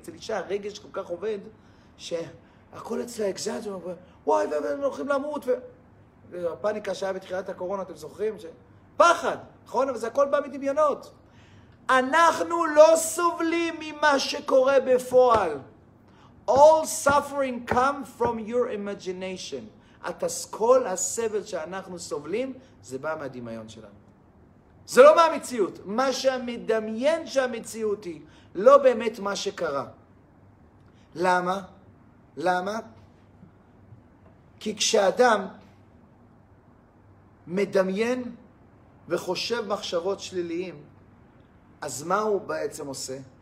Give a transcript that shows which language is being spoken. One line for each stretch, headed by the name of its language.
Hebrew: אצל אישה הרגש כל כך עובד, שהכל אצלה אקזאג'ו, וואי, והם הולכים למות, והפאניקה שהיה בתחילת הקורונה, אתם זוכרים? פחד, נכון? אבל זה הכל בא מדמיונות. אנחנו לא סובלים ממה שקורה בפועל.
English: All suffering come from your imagination.
Hebrew: כל הסבל שאנחנו סובלים, זה בא מהדמיון שלנו. זה לא מהמציאות. מה שמדמיין שהמציאות היא, לא באמת מה שקרה. למה? למה? כי כשאדם מדמיין וחושב מחשבות שליליים, אז מה הוא בעצם עושה?